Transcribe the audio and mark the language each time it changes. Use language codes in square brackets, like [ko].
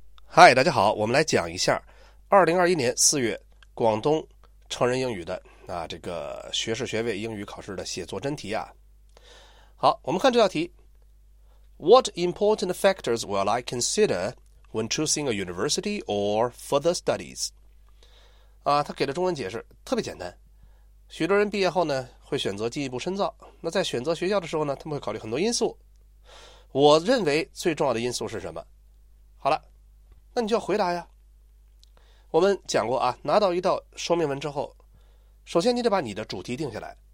[zh] 嗨，大家好，我们来讲一下2021年4月广东成人英语的这个学士学位英语考试的写作真题啊。好，我们看这道题。 [en] What important factors will I consider when choosing a university or further studies？ [zh] 他给的中文解释特别简单，许多人毕业后呢会选择进一步深造，那在选择学校的时候呢，他们会考虑很多因素。我认为最重要的因素是什么？好了。那你就要回答呀。我们讲过啊，拿到一道说明文之后，首先你得把你的主题定下来。